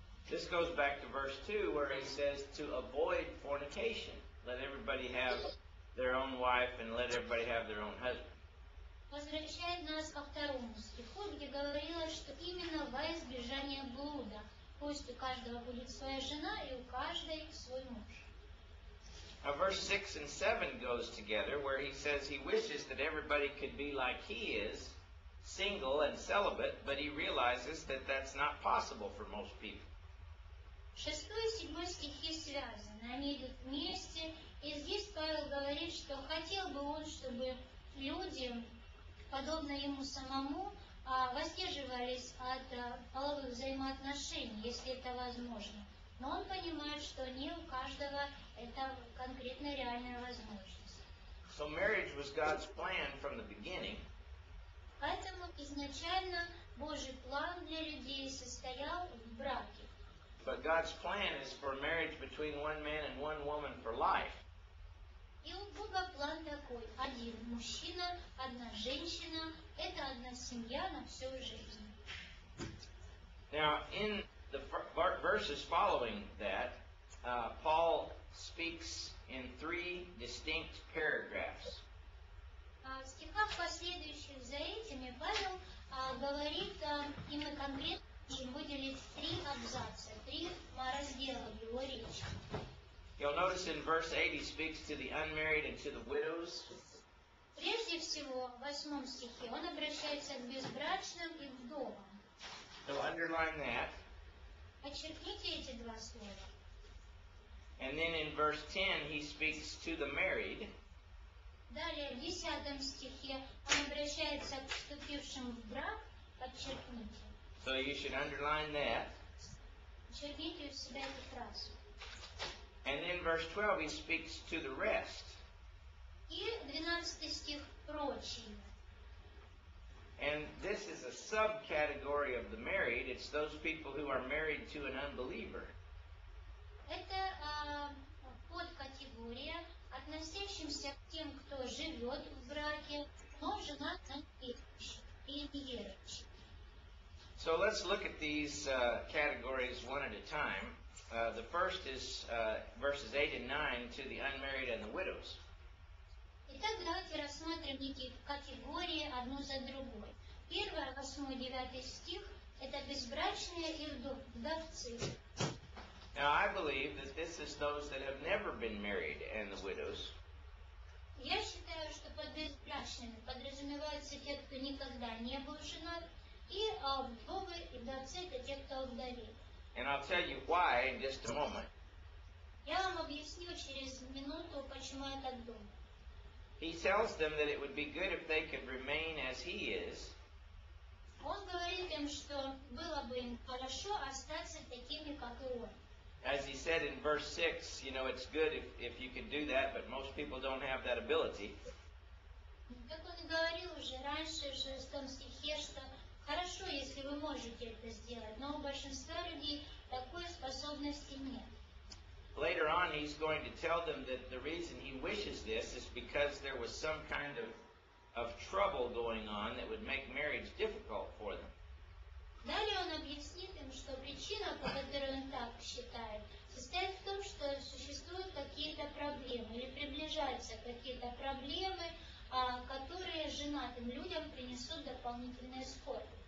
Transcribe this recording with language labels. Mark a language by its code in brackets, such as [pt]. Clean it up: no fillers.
[en] This goes back to verse 2, where he says to avoid fornication. Let everybody have their own wife and let everybody have their own husband. [ru] Возвращает нас ко второму стиху, где говорилось, что именно во избежание блуда. Пусть у каждого будет своя жена и у каждой свой муж. [en] Now verse 6 and 7 goes together, where he says he wishes that everybody could be like he is, single and celibate, but he realizes that that's not possible for most people. [ru] Шестой и седьмой стихи связаны, они идут вместе, и здесь Павел говорит, что хотел бы он, чтобы люди, подобно ему самому, воздерживались от половых взаимоотношений, если это возможно. Но он понимает, что не у каждого это конкретно реальная возможность. [en] So marriage was God's plan from the beginning. [ru] Поэтому изначально Божий план для людей состоял в браке. [en] But God's plan is for marriage between one man and one woman for life. [ru] И у Бога план такой: один мужчина, одна женщина, это одна семья на всю жизнь. [en] Now, in the verses following that, Paul speaks in three distinct paragraphs. [ru] В стихах, последующих за этими, Павел говорит, и мы конкретно выделим три абзаца, три раздела его речи. [en] You'll notice in verse 8 he speaks to the unmarried and to the widows. [ru] Прежде всего, в восьмом стихе, он обращается к безбрачным и вдовам. [en] So underline that. [ru] Подчеркните эти два слова. [en] And then in verse 10 he speaks to the married. [ru] Далее, в десятом стихе, он обращается к вступившим в брак. Подчеркните. [en] So you should underline that. [ru] Подчеркните у себя эту фразу. [en] And then verse 12 he speaks to the rest. [ru] И двенадцатый стих прочие. [en] And this is a subcategory of the married. It's those people who are married to an unbeliever. [ru] Это подкатегория, относящимся к тем, кто живет в браке, но женат на неверующей. [en] So let's look at these categories one at a time. The first is verses 8 and 9 to the unmarried and the widows. [ru] Итак, давайте рассмотрим эти категории одну за другой. Первый, восьмой, девятый стих – это безбрачные и вдовцы. [en] Now, I believe that this is those that have never been married and the widows. [ru] Я считаю, что под безбрачными подразумеваются те, кто никогда не был женат, и вдовы и вдовцы – это те, кто вдовит. [en] And I'll tell you why in just a moment. [ru] Я вам объясню через минуту, почему я так думаю. [en] He tells them that it would be good if they could remain as he is. [ru] Он говорит им, что было бы им хорошо остаться такими, как и он. [en] As he said in verse 6, you know, it's good if you can do that, but most people don't have that ability. [ru] Как он говорил уже раньше в шестом стихе, что хорошо, если вы можете это сделать, но у большинства людей такой способности нет. [en] Later on, he's going to tell them that the reason he wishes this is because there was some kind of trouble going on that would make marriage difficult for them. [ru] Далее он объяснит им, что причина, по которой он так считает, состоит в том, что существуют какие-то проблемы или приближаются какие-то проблемы, которые женатым людям принесут дополнительные скорби.